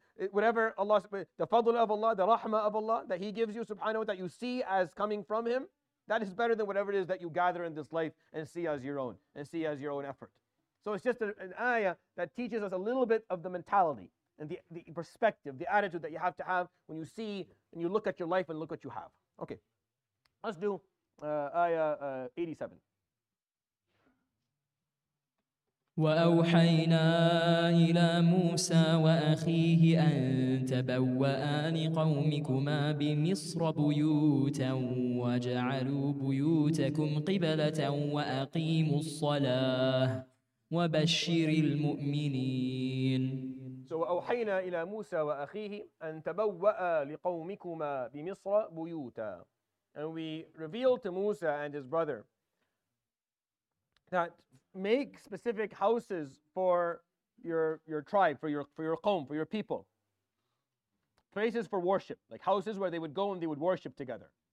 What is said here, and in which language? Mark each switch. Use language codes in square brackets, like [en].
[en] Whatever Allah, the fadl of Allah, the rahmah of Allah that He gives you subhanahu wa ta'ala, that you see as coming from Him, that is better than whatever it is that you gather in this life and see as your own, and see as your own effort. So it's just an ayah that teaches us a little bit of the mentality and the perspective, the attitude that you have to have when you see and you look at your life and look what you have. Okay, let's do Ayah 87. [ar] وأوحينا إلى موسى وأخيه أن تبوأ لقومكما بمصر بيوتا واجعلوا بيوتكم قبلة وأقيموا الصلاة وبشر المؤمنين. وأوحينا إلى موسى وأخيه أن تبوأ لقومكما بمصر بيوتا. [en] And we revealed to Musa and his brother that make specific houses for your tribe, for your qawm, for your people. Places for worship, like houses where they would go and they would worship together.